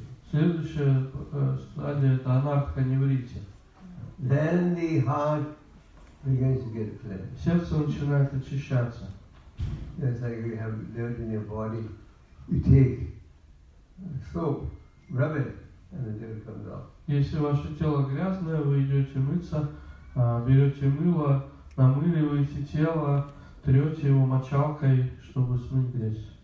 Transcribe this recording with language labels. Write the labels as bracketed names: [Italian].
[Russian] Следующая стадия – это анартха-неврити. [English] Then the heart begins to get cleansed. [Russian] Сердце начинает очищаться. [English] Just like you have dirt in your body, you take soap, rub it, and the dirt comes off. [Russian] Если ваше тело грязное, вы идете мыться, берете мыло, намыливаете тело, трете его мочалкой, чтобы смыть грязь.